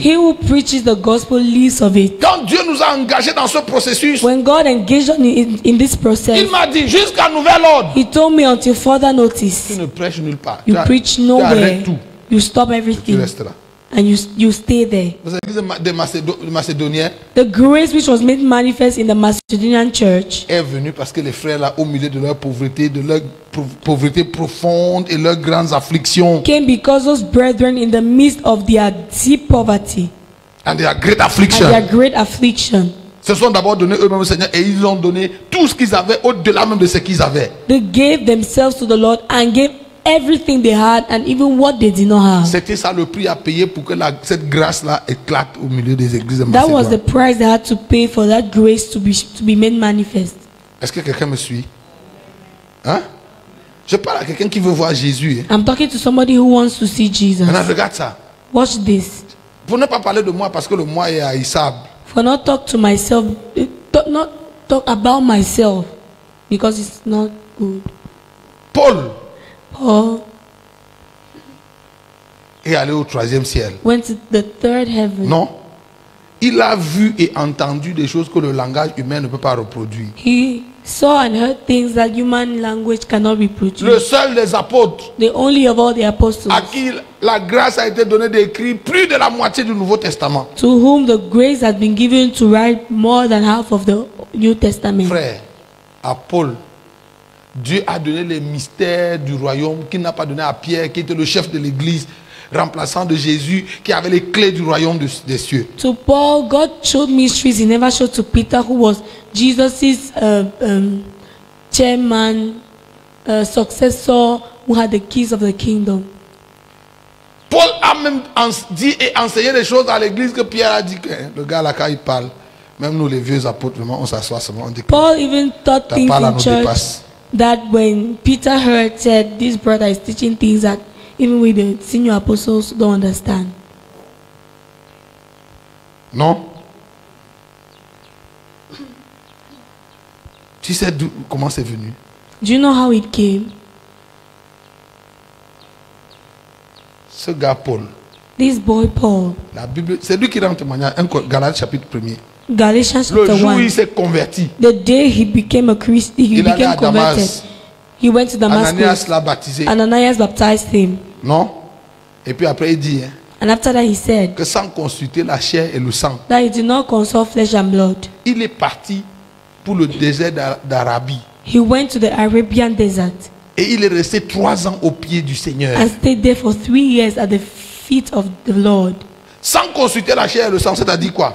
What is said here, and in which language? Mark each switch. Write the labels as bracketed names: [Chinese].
[English] He who preaches the gospel lives of it. [French] Quand Dieu nous a engagés dans ce processus, [English] when God engaged us in this process, [French] il m'a dit jusqu'à nouvel ordre. [English] He told me until further notice. [French] Tu ne prêches nulle part. [English] You preach nowhere. [French] Tu arrêtes tout. [English] You stop everything. [French] Tu restes là. [English] And you stay there. The grace which was made manifest in the Macedonian church [French] est venue parce que les frères là, au milieu de leur pauvreté, de leur pauvreté profonde et leurs grandes afflictions, [English] came because those brethren in the midst of their deep poverty and their great affliction. And their great affliction. [French] Se sont d'abord donné eux-mêmes au Seigneur et ils ont donné tout ce qu'ils avaient au-delà même de ce qu'ils avaient. [English] They gave themselves to the Lord and gave everything they had and even what they did not have. [French] C'était ça le prix à payer pour que cette grâce là éclate au milieu des églises de [English] Macédoine. That was the price they had to pay for that grace to be made manifest. [French] Est-ce que quelqu'un me suit? Hein? Je parle à quelqu'un qui veut voir Jésus. [English] I'm talking to somebody who wants to see Jesus. [French] Maintenant, regarde ça. [English] Watch this. [French] Pour ne pas parler de moi parce que le moi est haïssable. [English] For not talk to myself, not talk about myself because it's not good. [French] Paul. Oh. Et aller au troisième ciel. [English] Went to the third heaven. [French] Non. Il a vu et entendu des choses que le langage humain ne peut pas reproduire. [English] He saw and heard things that human language cannot reproduce. [French] Le seul des apôtres. [English] The only of all the apostles. [French] À qui la grâce a été donnée d'écrire plus de la moitié du Nouveau Testament. [English] To whom the grace had been given to write more than half of the New Testament. [French] Frère, à Paul. Dieu a donné les mystères du royaume qu'il n'a pas donné à Pierre, qui était le chef de l'église, remplaçant de Jésus, qui avait les clés du royaume des cieux. [English] To Paul, God showed mysteries he never showed to Peter, who was Jesus's chairman, successor, who had the keys of the kingdom. [French] Paul a même dit et enseigné des choses à l'église que Pierre a dit que le gars là quand il parle, même nous les vieux apôtres, vraiment, on s'assoit seulement, on dit. [English] Paul even taught things [French] parle [English] in church. [French] Dépasse. [English] That when Peter heard, said, this brother is teaching things that even with the senior apostles don't understand. [French] Non. Tu sais comment c'est venu? [English] Do you know how it came? [French] Ce gars Paul. [English] This boy Paul. [French] La Bible, c'est lui qui rend témoignage. Galates chapitre 1er. [English] Galatians chapter 1. [French] Le jour il s'est converti. [English] The day he became a Christian, he [French] il [English] became converted. He went to Damascus. [French] Ananias l'a baptisé. [English] Ananias baptized him. [French] Non. Et puis après il dit. [English] And after that he said. [French] Que sans consulter la chair et le sang. [English] That he did not consult flesh and blood. [French] Il est parti pour le désert d'Arabie. [English] He went to the Arabian desert. [French] Et il est resté 3 ans au pied du Seigneur. [English] And stayed there for 3 years at the feet of the Lord. [French] Sans consulter la chair et le sang, ça t'a dit quoi?